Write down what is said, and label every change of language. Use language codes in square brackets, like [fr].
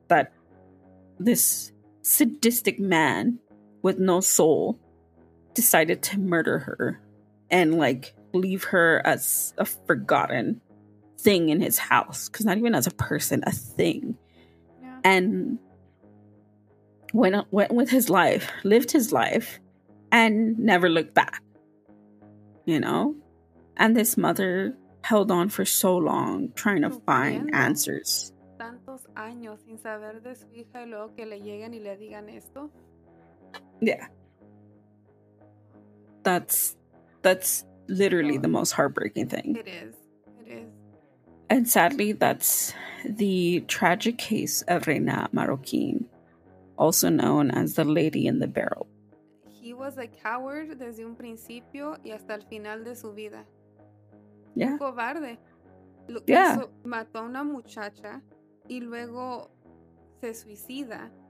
[en] that this sadistic man with no soul decided to murder her and like leave her as a forgotten thing in his house, because not even as a person, a thing, and went with his life, lived his life and never looked back, you know. And this mother held on for so long, trying to find answers. [es] Tantos años sin saber de su hija y luego que le lleguen y le digan esto. [en] Yeah. That's literally the most heartbreaking thing. It is. And sadly, that's the tragic case of Reyna Marroquin, also known as the Lady in the Barrel. He was a coward [es] desde un principio y hasta el final de su vida. [en] Yeah. [es] Cobarde. [en] Yeah. [es] Mató a una muchacha y luego se suicida.